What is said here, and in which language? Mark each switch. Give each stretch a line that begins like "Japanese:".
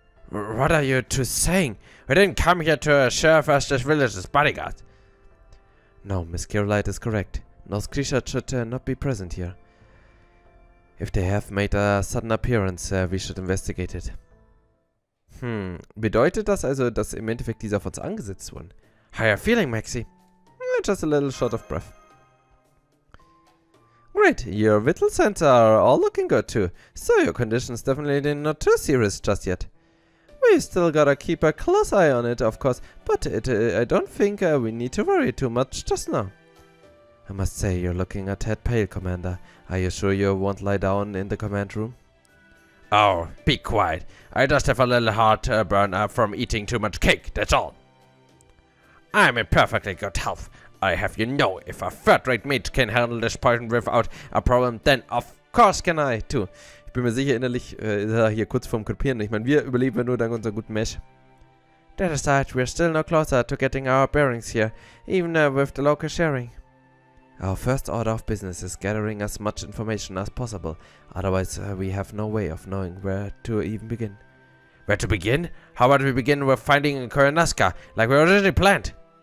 English: What are you two saying? We didn't come here to serve as this village's bodyguard. No, Miss Carolite is correct. Those creatures should not be present here. If they have made a sudden appearance, we should investigate it.
German: Hmm, bedeutet das also, dass im Endeffekt diese auf uns angesetzt wurden?
English: Higher feeling, Maxi. Just a little short of breath. Great, your vital signs are all looking good too. So your condition's definitely not too serious just yet. We still gotta keep a close eye on it, of course, but I don't think we need to worry too much just now. I must say, you're looking a tad pale, Commander. Are you sure you won't lie down in the command room? Oh, be quiet. I just have a little heart burn from eating too much cake, that's all. I'm in perfectly good health. I have you know, if a third-rate mage can handle this poison without a problem, then of course can I too.
German: Ich bin mir sicher, innerlich ist er hier kurz vorm Krepieren. Ich meine, wir überleben nur dank unserem guten Mesh.
English: That aside, we're still no closer to getting our bearings here, even with the local sharing. Our first order of business is gathering as much information as possible. Otherwise, we have no way of knowing where to even begin. Where to begin? How about we begin with finding Koronaska, like we originally planned?